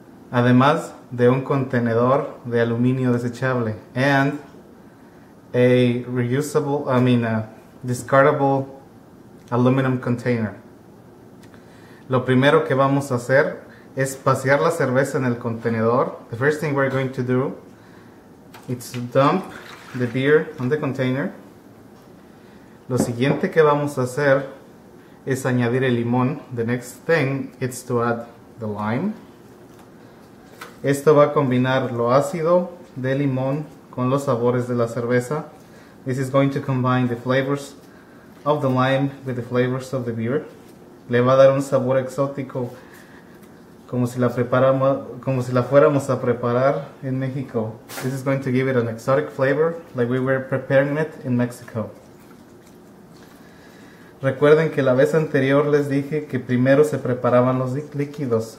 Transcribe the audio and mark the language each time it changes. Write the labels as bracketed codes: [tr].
[es] Además de un contenedor de aluminio desechable, [en] and a reusable, I mean a discardable aluminum container. [es] Lo primero que vamos a hacer es vaciar la cerveza en el contenedor. [en] The first thing we're going to do is dump the beer on the container. [es] Lo siguiente que vamos a hacer es añadir el limón. [en] The next thing is to add the lime. [es] Esto va a combinar lo ácido del limón con los sabores de la cerveza. [en] This is going to combine the flavors of the lime with the flavors of the beer. [es] Le va a dar un sabor exótico, como si la fuéramos a preparar en México. [en] This is going to give it an exotic flavor, like we were preparing it in Mexico. [es] Recuerden que la vez anterior les dije que primero se preparaban los líquidos.